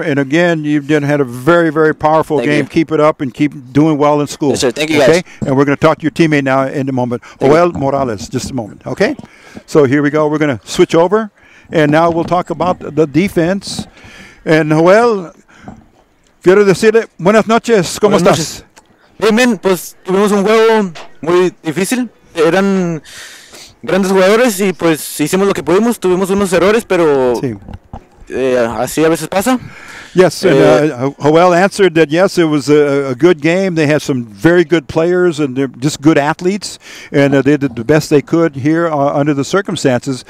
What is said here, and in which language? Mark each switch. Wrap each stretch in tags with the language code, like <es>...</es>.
<en>And again, you've had a very, very powerful game. You. Keep it up and keep doing well in school. Yes, sir. Thank you, okay? guys. And we're going to talk to your teammate now in a moment. Joel Morales, just a moment. Okay? So here we go. We're going to switch over, and now we'll talk about the defense.</en> <es>And Joel, quiero decirle, buenas noches, ¿cómo buenas estás? Noches.</es> <en>Hey, man,</en> <es>pues tuvimos un juego muy difícil. Eran grandes jugadores y pues hicimos lo que pudimos. Tuvimos unos errores, pero así a veces pasa.</es> <en>Yes, Joel answered that yes, it was a good game. They had some very good players and they're just good athletes, and they did the best they could here under the circumstances.</en>